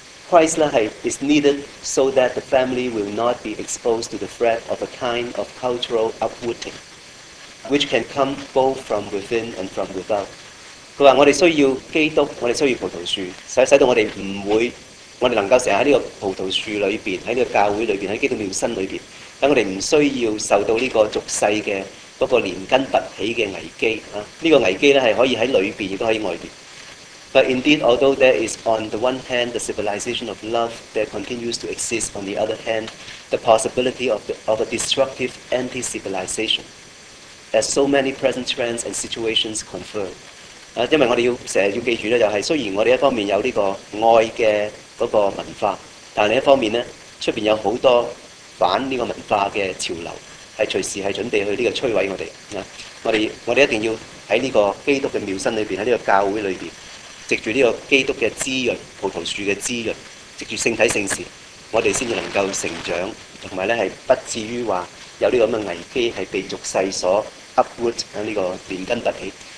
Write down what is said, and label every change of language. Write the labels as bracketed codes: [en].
[en] Christ [zh] 呢是 [en] is needed so that the family will not be exposed to the threat of a kind of cultural uprooting which can come both from within and from without。 [zh] 他说我们需要基督，我们需要葡萄树，使得我们不会，我们能够成日在这个葡萄树里面，在这个教会里面，在基督庙身里面，让我们不需要受到这个俗世的那个连根拔起的危机。这个危机是可以在里面也可以外面。 [en] But indeed, although there is on the one hand the civilization of love that continues to exist, on the other hand, the possibility of a destructive anti-civilization, as so many present trends and situations confirm. [zh] 因为我们要成日要记住，就是虽然我们一方面有这个爱的那個文化，但另一方面呢，出面有很多反這個文化的潮流，是隨時是準備去這個摧毀我們。我們一定要在這個基督的廟身裡面，在這個教會裡面，藉著這個基督的滋潤，葡萄樹的滋潤，藉著聖體聖事，我們才能夠成長，還有不至於說有這個危機是被俗世所 uproot， 這個連根拔起。